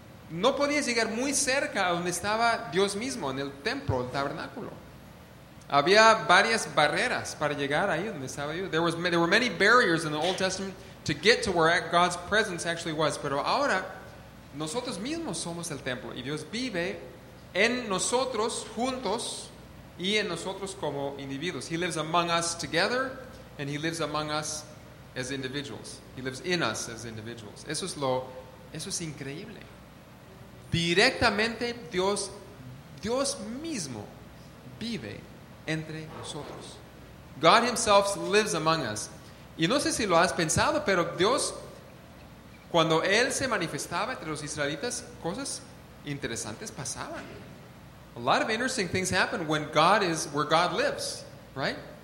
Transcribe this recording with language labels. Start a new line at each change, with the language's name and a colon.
Spanish: No podías llegar muy cerca a donde estaba Dios mismo, en el templo, el tabernáculo. Había varias barreras para llegar ahí donde estaba yo.
English: There were many barriers in the Old Testament to get to where God's presence actually was.
Spanish: Pero ahora, nosotros mismos somos el templo. Y Dios vive en nosotros juntos y en nosotros como individuos.
English: He lives among us together and he lives among us as individuals. He lives in us as individuals.
Spanish: Eso es increíble. Directamente Dios mismo vive entre nosotros.
English: God himself lives among us.
Spanish: Y no sé si lo has pensado, pero Dios Cuando él se manifestaba entre los israelitas, cosas interesantes pasaban.
English: A lot of interesting things happen when God is where God lives, right?